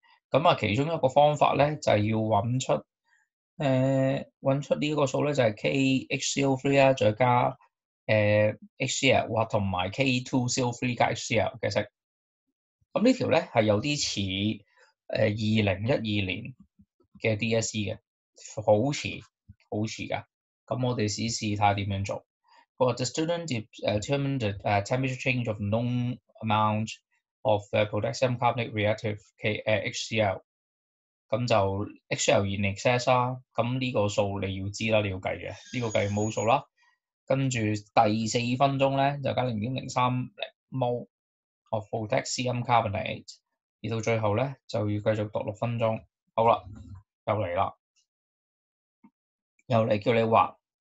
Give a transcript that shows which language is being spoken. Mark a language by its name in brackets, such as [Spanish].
[Cantonese] 咁啊，其中一個方法咧，就係、是、要揾出揾出呢個數咧，就係、是、KHCO3 啦，再加HCl 或同埋 K2CO3 加 HCl 嘅式。咁呢條咧係有啲似 2012年的 DSE 的，好似好似噶。咁我哋試試睇下點樣做。佢話 [English] ：The student determined the temperature change of known amount of potassium carbonate reactive HCl。 [Cantonese] 咁就 [English] HCl in excess [Cantonese] 啦。咁呢個數你要知啦，你要計嘅。呢個計冇數啦。跟住第四分鐘咧，就加 [English] 0.030 mol of potassium carbonate。 [Cantonese] 而到最後咧，就要繼續讀六分鐘。好啦，又嚟啦，又嚟叫你畫。